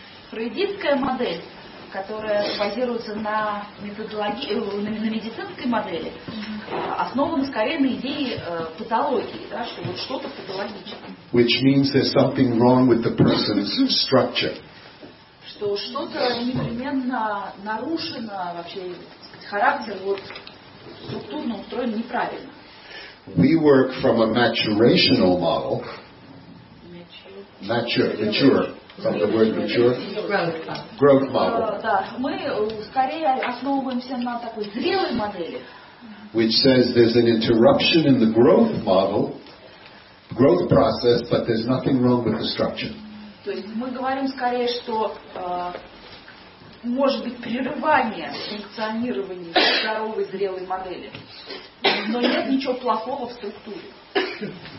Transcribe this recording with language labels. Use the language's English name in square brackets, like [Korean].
[Russian] Фрейдистская модель, которая базируется на методологии, на медицинской модели, основана скорее на идее патологии, да, что вот что-то патологическое. [English] Which means there's something wrong with the person's structure. [Russian] Что что-то непременно нарушено, вообще характер вот структурно устроен неправильно. [English] We work from a maturational model. Mature, from the word mature. Growth model. [Russian] Да, мы скорее основываемся на такой зрелой модели. [English] Which says there's an interruption in the growth model, growth process, but there's nothing wrong with the structure. [Russian] То есть мы говорим скорее, что может быть прерывание функционирования здоровой зрелой модели, но нет ничего плохого в структуре.